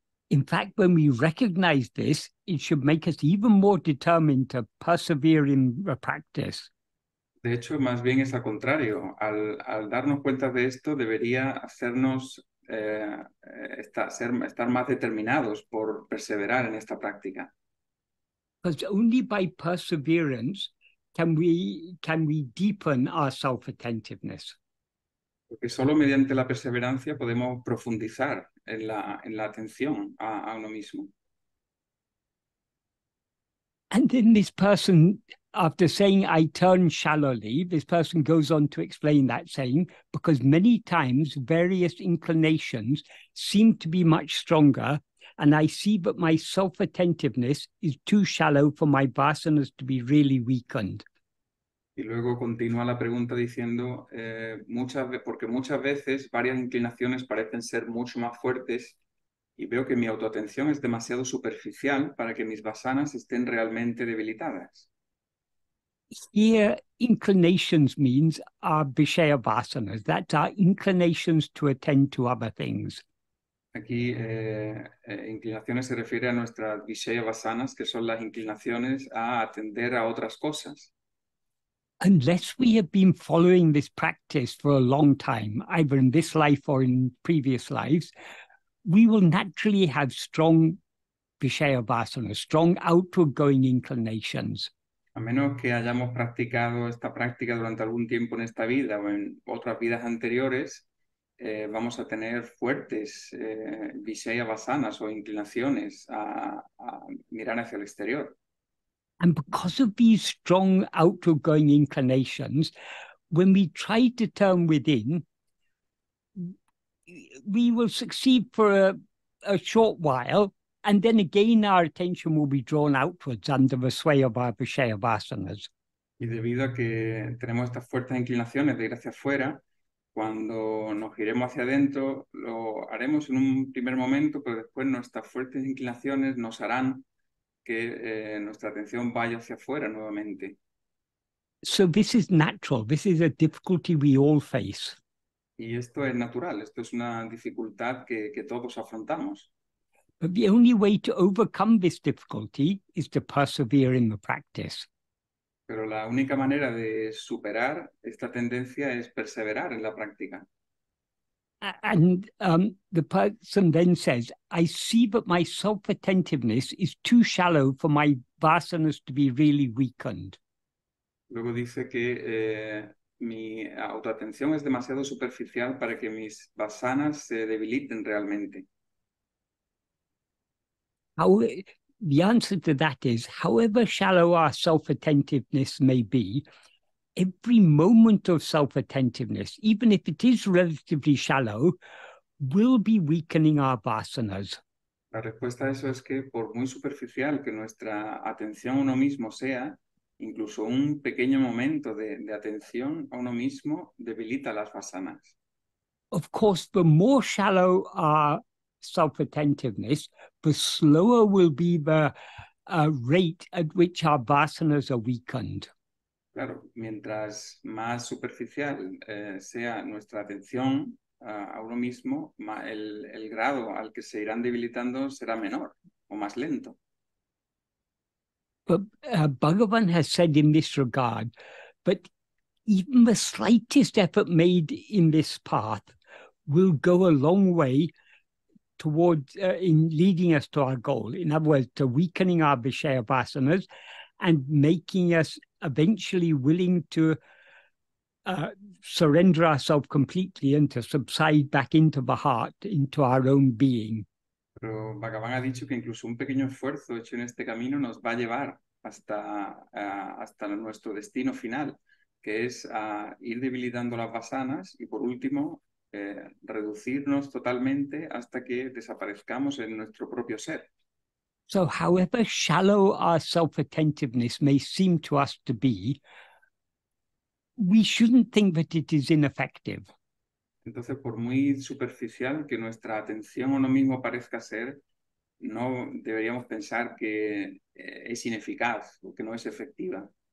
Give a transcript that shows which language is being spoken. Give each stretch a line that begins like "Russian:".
English: In fact, when we recognize this, it should make us even more determined to persevere in the practice.
Spanish: De hecho, más bien es al contrario. Al darnos cuenta de esto, debería hacernos estar más determinados por perseverar en esta práctica.
English: Because only by perseverance can we deepen our self-attentiveness.
Spanish: Porque solo mediante la perseverancia podemos profundizar en la atención a uno mismo.
English: And then this person, after saying, I turn shallowly, this person goes on to explain that saying, because many times various inclinations seem to be much stronger, and I see that my self-attentiveness is too shallow for my vasanas to be really weakened.
Spanish: Y luego continúa la pregunta diciendo, porque muchas veces varias inclinaciones parecen ser mucho más fuertes, y veo que mi autoatención es demasiado superficial para que mis vasanas estén realmente debilitadas.
English: Here, inclinations means our vishaya vasanas, that's our inclinations to attend to other things.
Spanish: Aquí, inclinaciones se refiere a nuestras vishaya vasanas, que son las inclinaciones a atender a otras cosas.
English: Unless we have been following this practice for a long time, either in this life or in previous lives, we will naturally have strong vishaya vasanas, strong outward going inclinations.
Spanish: A menos que hayamos practicado esta práctica durante algún tiempo en esta vida o en otras vidas anteriores, vamos a tener fuertes vishaya vasanas o inclinaciones a mirar hacia el exterior.
English: And because of these strong outward-going inclinations, when we try to turn within, we will succeed for a short while, And then again, our attention will be drawn outwards under the sway of our vishaya vasanas.
Spanish: Y debido a que tenemos estas fuertes inclinaciones de ir hacia afuera, cuando nos giremos hacia adentro, lo haremos en un primer momento, pero después nuestras fuertes inclinaciones nos harán que nuestra atención vaya hacia afuera nuevamente.
English: So this is natural. This is a difficulty we all face.
Spanish: Y esto es natural. Esto es una dificultad que todos afrontamos.
English: But the only way to overcome this difficulty is to persevere in the practice.
Spanish: Pero la única manera de superar esta tendencia es perseverar en la práctica.
English: And the person then says, I see that my self-attentiveness is too shallow for my vasanas to be really weakened.
Spanish: Luego dice que mi autoatención es demasiado superficial para que mis vasanas se debiliten realmente.
English: The answer to that is, however shallow our self-attentiveness may be, every moment of self-attentiveness, even if it is relatively shallow, will be weakening our vasanas.
Spanish: La respuesta a eso es que por muy superficial que nuestra atención a uno mismo sea, incluso un pequeño momento de atención a uno mismo debilita las vasanas.
English: Of course, the more shallow our self-attentiveness, the slower will be the rate at which our vasanas are weakened.
Spanish: Claro, mientras más superficial sea nuestra atención a uno mismo, el grado al que se irán debilitando será menor o más lento.
English: But Bhagavan has said in this regard, but even the slightest effort made in this path will go a long way towards in leading us to our goal. In other words, to weakening our vishaya vasanas and making us eventually willing to surrender ourselves completely and to subside back into the heart, into our own being.
Spanish: Pero Bhagavan ha dicho que incluso un pequeño esfuerzo hecho en este camino nos va a llevar hasta nuestro destino final, que es ir debilitando las vasanas y por último reducirnos totalmente hasta que desaparezcamos en nuestro propio ser.
English: So however shallow our self-attentiveness may seem to us to be, we shouldn't think that it is ineffective.
Spanish: Entonces, por muy superficial que nuestra atención a uno mismo parezca ser, no deberíamos pensar que es ineficaz o que no es efectiva.